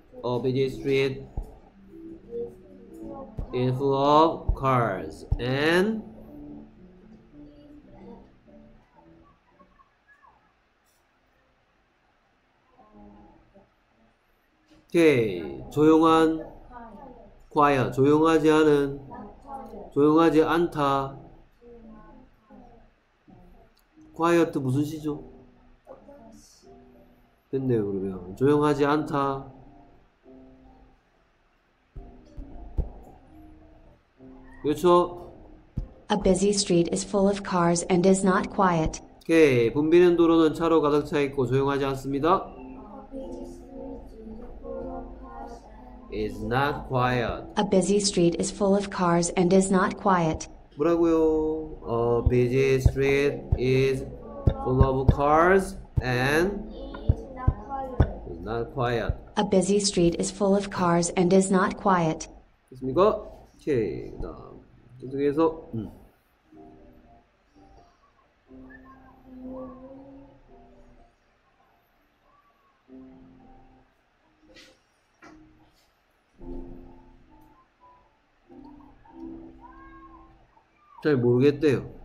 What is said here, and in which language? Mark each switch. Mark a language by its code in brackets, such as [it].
[en] A busy street is full of cars and [ko] 오케이 조용한 과야 조용하지 않은 조용하지 않다 quiet 무슨 시죠? 됐네요 그러면 조용하지 않다 그렇죠? [en] A busy street is full of cars and is not quiet. [ko] 오케이 붐비는 도로는 차로 가득 차 있고 조용하지 않습니다 [en] Is not quiet. A busy street is full of cars and is not quiet. [ko] 뭐라고요? [en] A busy street is full of cars and is not quiet. A busy street is full of cars and is not quiet. [ko] 됐습니까? 오케이. 그다음 계속해서 잘 모르겠대요.